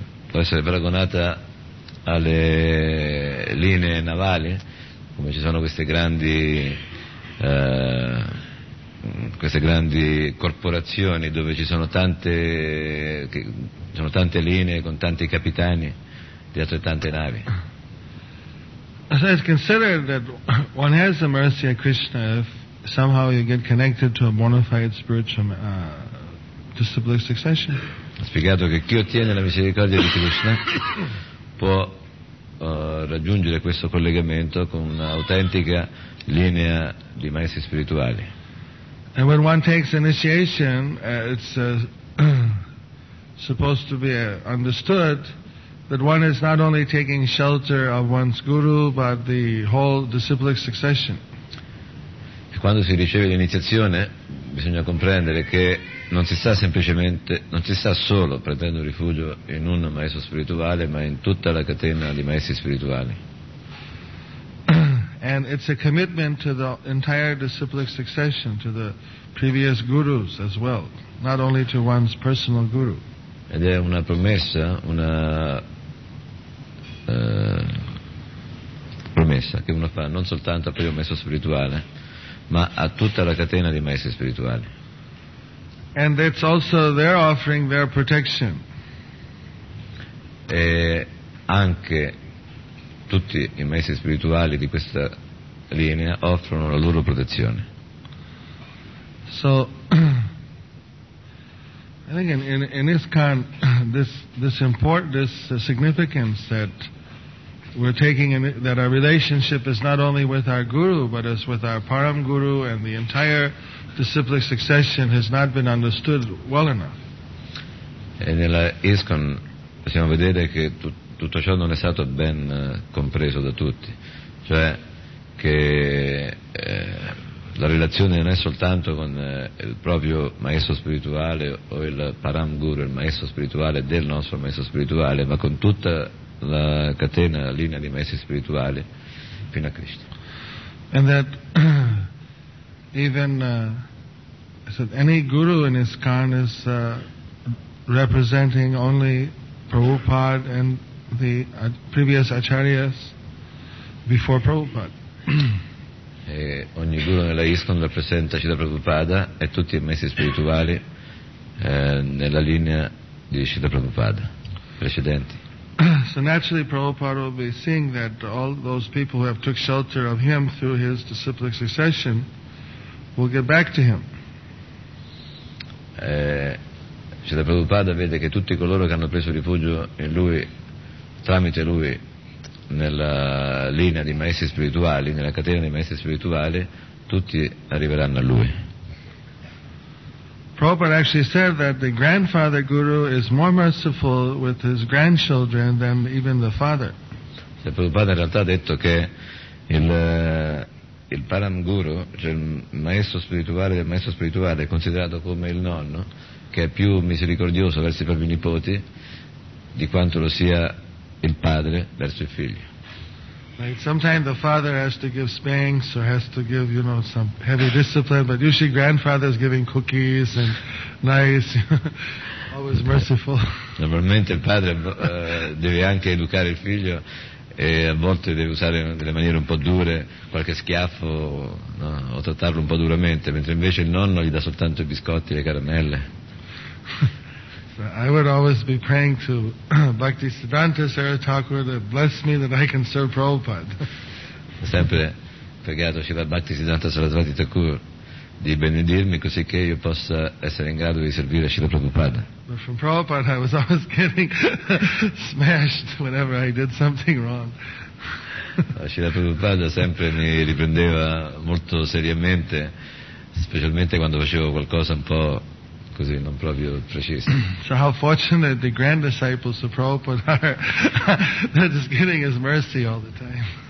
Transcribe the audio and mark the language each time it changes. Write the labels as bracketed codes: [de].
[it] Può essere paragonata alle linee navali, come ci sono queste grandi corporazioni dove ci sono tante linee con tanti capitani di altrettante navi. [en] So it's considered that one has the mercy of Krishna if somehow you get connected to a bona fide spiritual disciplic succession. [it] Ha spiegato che chi ottiene la misericordia di Krishna può raggiungere questo collegamento con un'autentica linea di maestri spirituali. [en] And when one takes initiation, it's supposed to be understood that one is not only taking shelter of one's guru, but the whole disciplic succession. [it] E quando si riceve l'iniziazione, bisogna comprendere che non si sta solo prendendo rifugio in un maestro spirituale, ma in tutta la catena di maestri spirituali. [en] And it's a commitment to the entire disciplic succession, to the previous gurus as well, not only to one's personal guru. [it] Ed è una promessa, una promessa che uno fa non soltanto al proprio maestro spirituale, ma a tutta la catena di maestri spirituali. [en] And it's also their offering their protection. [it] E anche tutti i maestri spirituali di questa linea offrono la loro protezione. [en] So I think in ISKCON this significance that we're taking in, that our relationship is not only with our guru but is with our param guru and the entire disciplic succession has not been understood well enough. [it] E nella ISKCON possiamo vedere che tutto ciò non è stato ben compreso da tutti, cioè che la relazione non è soltanto con il proprio maestro spirituale o il param guru, il maestro spirituale del nostro maestro spirituale, ma con tutta la catena, la linea di maestri spirituali fino a Cristo. [en] And that even any guru in ISKCON is representing only Prabhupada and the previous acharyas before Prabhupada. [it] E ogni guru nella ISKCON rappresenta Srila Prabhupada e tutti i maestri spirituali nella linea di Srila Prabhupada precedenti. [en] So naturally Prabhupada will be seeing that all those people who have took shelter of him through his disciplic succession will get back to him. [it] Srila Prabhupada vede che tutti coloro che hanno preso rifugio in lui, tramite lui, nella linea dei maestri spirituali, nella catena dei maestri spirituali, tutti arriveranno a lui. [en] Prabhupada actually said that the grandfather guru is more merciful with his grandchildren than even the father. [it] Il Prabhupada in realtà ha detto che il param guru, cioè il maestro spirituale del maestro spirituale, è considerato come il nonno, che è più misericordioso verso i propri nipoti di quanto lo sia il padre verso i figli. [en] Like sometimes the father has to give spanks or has to give, you know, some heavy discipline, but usually grandfather is giving cookies and nice, always merciful. [it] Normalmente il padre deve anche educare il figlio e a volte deve usare delle maniere un po' dure, qualche schiaffo, no? O trattarlo un po' duramente, mentre invece il nonno gli dà soltanto i biscotti e le caramelle. [en] I would always be praying to Bhakti Siddhanta Saratakura to bless me that I can serve Prabhupada. [it] Sempre pregato Shiva Bhakti Siddhanta Saraswati Thakur di benedirmi così che io possa essere in grado di servire Shiva Prabhupada. [en] But from Prabhupada I was always getting smashed whenever I did something wrong. [it] Shiva Prabhupada sempre mi riprendeva molto seriamente, specialmente quando facevo qualcosa un po' così, non proprio preciso. [en] So how fortunate the grand disciples of Prabhupada are that is getting his mercy all the time.